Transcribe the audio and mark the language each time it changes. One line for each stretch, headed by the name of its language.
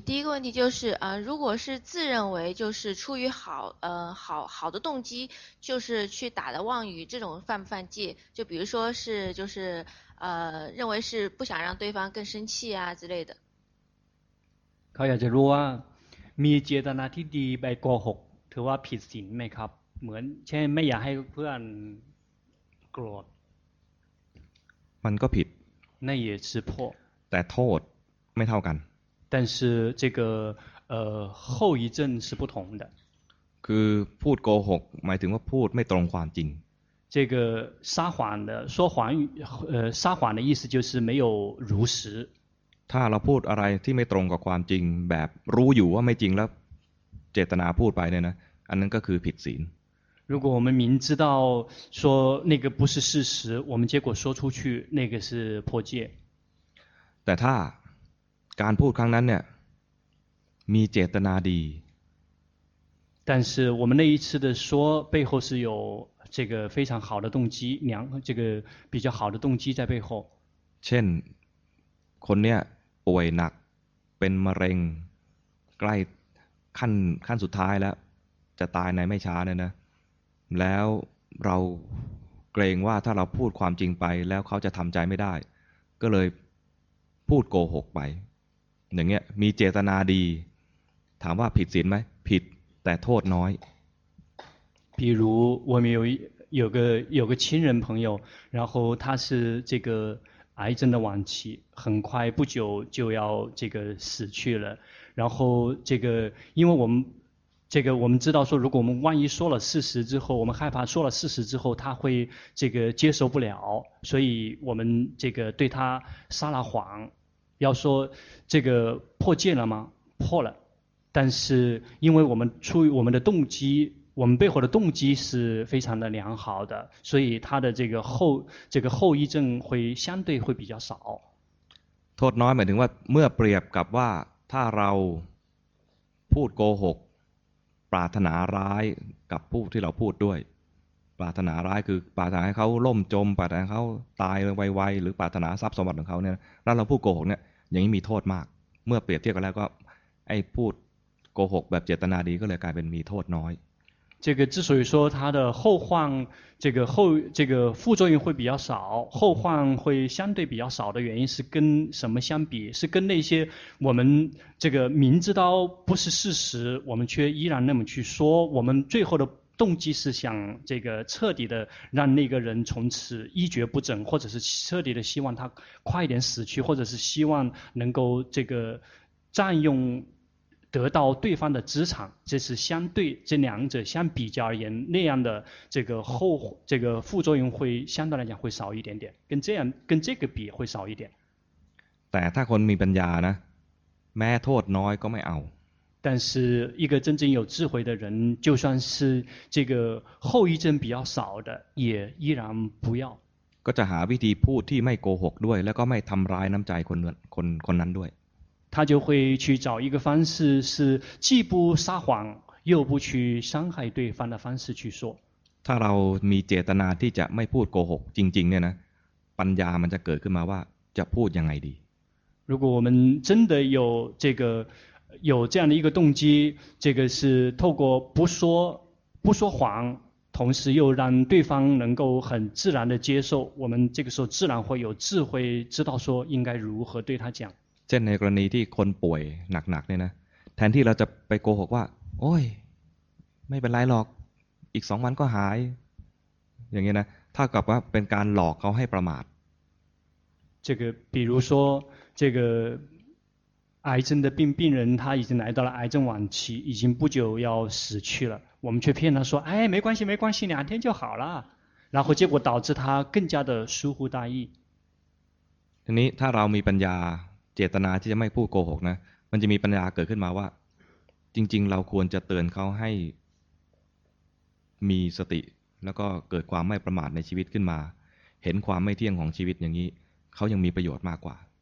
Chinese: 第一个问题就是，如果是自认为就是出于好的动机，就是去打的妄语，这种犯不犯戒？就比如说是就是认为是不想让对方更生气啊之类的。
Thai: เขาอยากจะรู้ว่ามีเจตนาที่ดีไปโกหกถือว่าผิดศีลไหมครับ？ เหมือนเช่นไม่อยากให้เพื่อนโกรธ。 มันก็ผิด。
Chinese: 那也是破。
Thai: แต่โทษไม่เท่ากัน
Chinese: 但是这个后遗症是不同的
Thai: คือพูดโกหกหมายถึงว่าพูดไม่ตรงความจริง
Chinese: 这个撒谎的说谎撒谎的意思就是没有如实
Thai: ถ้าเราพูดอะไรที่ไม่ตรงกับความจริงแบบรู้อยู่ว่าไม่จริงแล้วเจตนาพูดไปเนี่ยนะอันนั้นก็คือผิดศีล
Chinese: 如果我们明知道说那个不是事实我们结果说出去那个是破戒
Thai: แต่ถ้าการพูดครั้งนั้นเนี่ยมีเจตนาดี
Chinese: 但是我们那一次的说背后是有这个非常好的动机良这个比较好的动机在背后
Thai: เช่นคนเนี่ยป่วยหนักเป็นมะเร็งใกล้ขั้นสุดท้ายแล้วจะตายในไม่ช้าเนี่ยนะแล้วเราเกรงว่าถ้าเราพูดความจริงไปแล้วเขาจะทำใจไม่ได้ก็เลยพูดโกหกไปอย่างเงี้ยมีเจตนาดีถามว่าผิดศีลไหมผิดแต่โทษน้อย
Chinese: 比如我们有个亲人朋友然后他是这个癌症的晚期很快不久就要这个死去了然后这个因为我们知道说如果我们万一说了事实之后我们害怕说了事实之后他会这个接受不了所以我们这个对他撒了谎要说这个破戒了吗破了但是因为我们出于我们的动机我们背后的动机是非常的良好的，所以他的这个后遗症会相对会比较少。
Thai: โทษน้อยหมายถึงว่าเมื่อเปรียบกับว่าถ้าเราพูดโกหกปรารถนาร้ายกับผู้ที่เราพูดด้วยปรารถนาร้ายคือปรารถนาให้เขาล่มจมปรารถนาเขาตายไวๆหรือปรารถนาทรัพย์สมบัติของเขาเนี่ยถ้าเราพูดโกหกเนี่ยอย่างนี้มีโทษมากเมื่อเปรียบเทียบกันแล้วก็ไอ้พูดโกหกแบบเจตนาดีก็เลยกลายเป็นมีโทษน้อย
Chinese: 这个之所以说它的后患，这个副作用会比较少，后患会相对比较少的原因是跟什么相比？是跟那些我们这个明知道不是事实，我们却依然那么去说，我们最后的动机是想这个彻底的让那个人从此一蹶不振，或者是彻底的希望他快一点死去，或者是希望能够这个占用。得到对方的资产，这是相对这两者相比较而言，那样的这个副作用会相对来讲会少一点点，跟这样跟这个比会少一点。
Thai: แต่ถ้าคนมีปัญญานะแม้โทษน้อยก็ไม่เอา。
Chinese: 但是一个真正有智慧的人，就算是这个后遗症比较少的，也依然不要。
Thai: ก็จะหาวิธีพูดที่ไม่โกหกด้วยแล้วก็ไม่ทำร้ายน้ำใจคนนั้นด้วย。
Chinese: 他就会去找一个方式，是既不撒谎又不去伤害对方的方式去说。
Thai: ถ้าเรามีเจตนาที่จะไม่พูดโกหกจริงๆเนี่ยนะปัญญามันจะเกิดขึ้นมาว่าจะพูดยังไงดี
Chinese: 如果我们真的有这个有这样的一个动机，这个是透过不说谎，同时又让对方能够很自然的接受，我们这个时候自然会有智慧，知道说应该如何对他讲。
Thai: เช่นในกรณีที่คนป่วยหนักๆเนี่ยนะแทนที่เราจะไปโกหกว่าโอ้ยไม่เป็นไรหรอกอีก2วันก็หายอย่างเงี้ยนะถ้ากลับว่าเป็นการหลอกเขาให้ประมาท
Chinese: 这个比如说这个癌症的病人他已经来到了癌症晚期已经不久要死去了我们却骗他说哎没关系没关系两天就好了然后结果导致他更加的疏忽大意
Thai: ทีนี้ถ้าเรามีปัญญาเจตนาที่จะไม่พูดโกหกนะมันจะมีปัญญาเกิดขึ้นมาว่าจริงๆเราควรจะเตือนเขาให้มีสติแล้วก็เกิดความไม่ประมาทในชีวิตขึ้นมาเห็นความไม่เที่ยงของชีวิตอย่างนี้เขายังมีประโยชน์มากกว่า